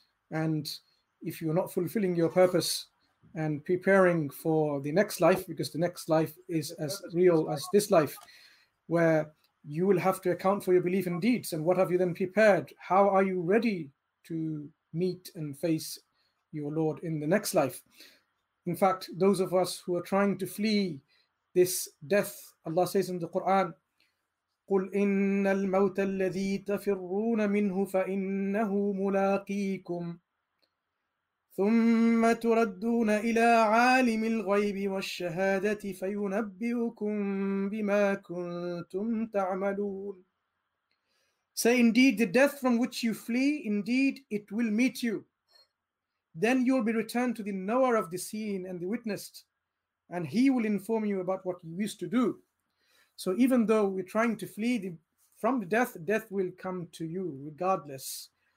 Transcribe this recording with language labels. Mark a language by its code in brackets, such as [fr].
[en] And if you're not fulfilling your purpose and preparing for the next life, because the next life is as real as this life, where you will have to account for your belief and deeds, and what have you then prepared? How are you ready to meet and face your Lord in the next life? In fact, those of us who are trying to flee this death, Allah says in the Quran, [ar] قُلْ إِنَّ الْمَوْتَ الَّذِي تَفِرُّونَ مِنْهُ فَإِنَّهُ مُلَاقِيكُمْ ثُمَّ تُرَدُّونَ إِلَىٰ عَالِمِ الْغَيْبِ وَالشَّهَادَةِ فَيُنَبِّئُكُمْ بِمَا كُنْتُمْ تَعْمَلُونَ. [en] Say, indeed, the death from which you flee, indeed, it will meet you. Then you'll be returned to the knower of the seen and the witnessed, and he will inform you about what you used to do. So even though we're trying to flee from the death, death will come to you regardless.